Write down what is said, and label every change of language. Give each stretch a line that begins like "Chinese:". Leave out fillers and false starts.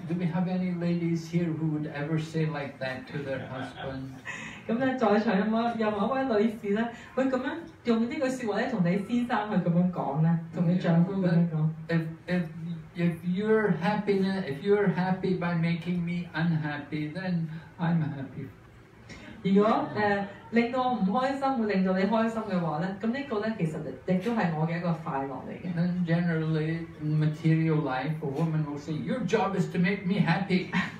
English: Do we have any ladies here who would ever say like that to their husband?
Cantonese: 咁咧，在場有冇一位女士咧，會咁樣用呢句説話咧，同你先生去咁樣講咧，同你丈夫咁樣講。
English: If you're happy by making me unhappy, then I'm happy.
Cantonese: 如果令到我唔開心，會令到你開心嘅話咧，咁呢個咧其實亦都係我嘅一個快樂嚟嘅。
English: Then generally, in material life, a woman will say, "Your job is to make me happy."